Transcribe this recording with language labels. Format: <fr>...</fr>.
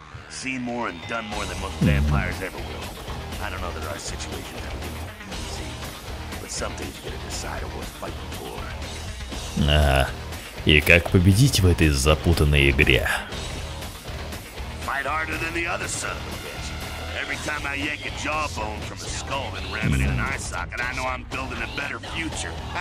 <en>Seen more and done more than most vampires ever will. I don't know that our situation ever gonna be easy, but some things you gotta decide are worth fighting for.</en> <ru>И как победить в этой запутанной игре?</ru> <en>Fight harder than the other son of a bitch. Every time I yank a jawbone from a skull and ram it in an eye socket, I know I'm building a better future.</en>